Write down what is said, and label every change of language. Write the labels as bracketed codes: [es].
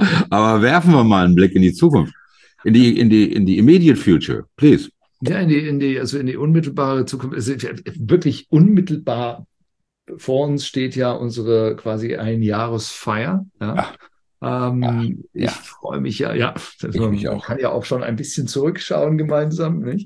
[de] Aber werfen wir mal einen Blick in die Zukunft. In die [en] immediate future, please. [de] Ja, in die unmittelbare Zukunft. Also wirklich unmittelbar vor uns steht ja unsere quasi Einjahresfeier. Ja. Ach. Ich freue mich ja. Also ich mich auch. Man kann ja auch schon ein bisschen zurückschauen gemeinsam, nicht?